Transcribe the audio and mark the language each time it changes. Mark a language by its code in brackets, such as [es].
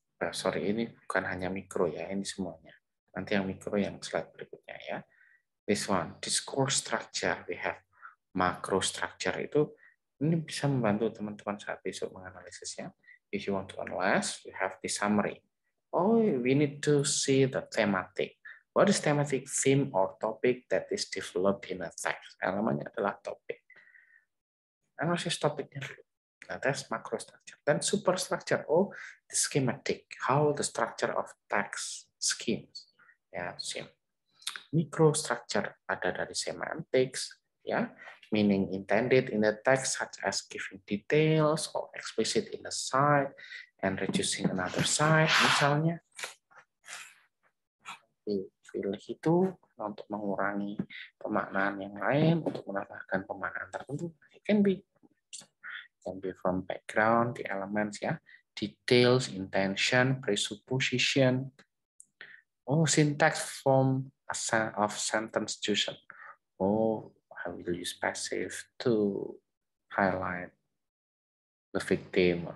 [id] Sorry, ini bukan hanya mikro ya, ini semuanya. Nanti yang mikro yang slide berikutnya ya. [en] This one, discourse structure. We have macro structure [id] itu. Ini bisa membantu teman-teman saat besok menganalisisnya. [en] If you want to analyze, you have the summary. Oh, we need to see the thematic. What is thematic theme or topic that is developed in a text? [id] Elemennya adalah topik. Analisis topiknya dulu. Nah, [en] that's macro structure. Then superstructure. Oh, the schematic. How the structure of text schemes. [id] Ya, [en] same. [id] Microstructure ada dari semantics. [en] Ya, meaning intended in the text such as giving details or explicit in the side and reducing another side. [id] Misalnya, pilih itu untuk mengurangi pemaknaan yang lain, untuk menambahkan pemaknaan tertentu. [en] It can be. Be from background, the elements, ya, details, intention, presupposition. Oh, syntax form of sentence chosen. Oh, I will use passive to highlight the victim.